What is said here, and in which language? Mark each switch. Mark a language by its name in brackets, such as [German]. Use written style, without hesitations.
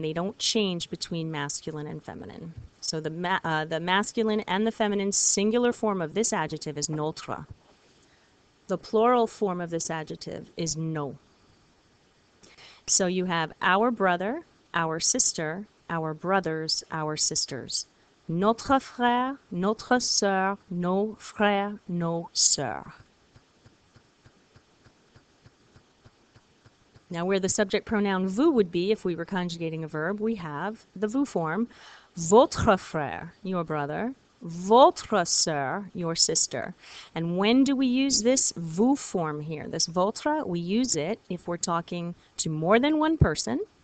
[English] They don't change between masculine and feminine. So the masculine and the feminine singular form of this adjective is notre. The plural form of this adjective is nos. So you have our brother, our sister, our brothers, our sisters. [French] Notre frère, notre sœur, nos frères, nos sœurs. [English] Now where the subject pronoun vous would be if we were conjugating a verb, we have the vous form. [French] Votre frère, [English] your brother. [French] Votre sœur, [English] your sister. And when do we use this vous form here? This votre, we use it if we're talking to more than one person.